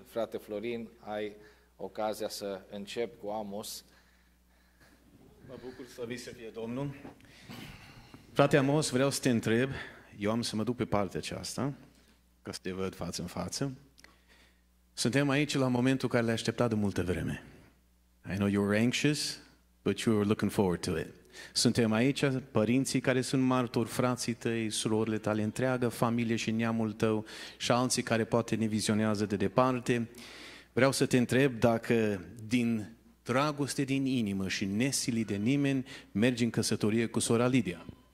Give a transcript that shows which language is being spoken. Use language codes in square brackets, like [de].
[ro] Frate Florin, ai ocazia să încep cu Amos. Mă bucur să vii să fie Domnul. Frate Amos, vreau să te întreb, eu am să mă duc pe partea aceasta, că să te văd față în față. Suntem aici la momentul care l-ai așteptat de multă vreme. [en] I know you're anxious, but you're looking forward to it. [ro] Suntem aici, părinții care sunt martori, frații tăi, surorile tale, întreaga familie și neamul tău și alții care poate ne vizionează de departe. Vreau să te întreb dacă din dragoste din inimă și nesilit de nimeni mergi în căsătorie cu sora Lidia.